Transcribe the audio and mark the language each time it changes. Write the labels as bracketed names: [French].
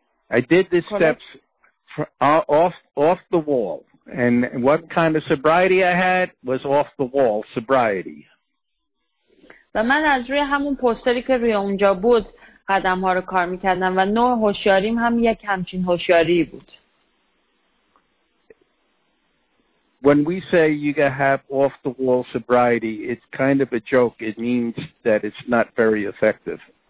[English] I did the steps off the wall, and what kind of sobriety I had was off the wall sobriety. [Persian] و من از روی همون پوستری که روی اونجا بود قدم ها رو کار میکردم و نوع هوشیاریم هم یک همچین هوشیاری بود. [English] When we say you have off-the-wall sobriety, it's kind of a joke. It means that it's not very effective.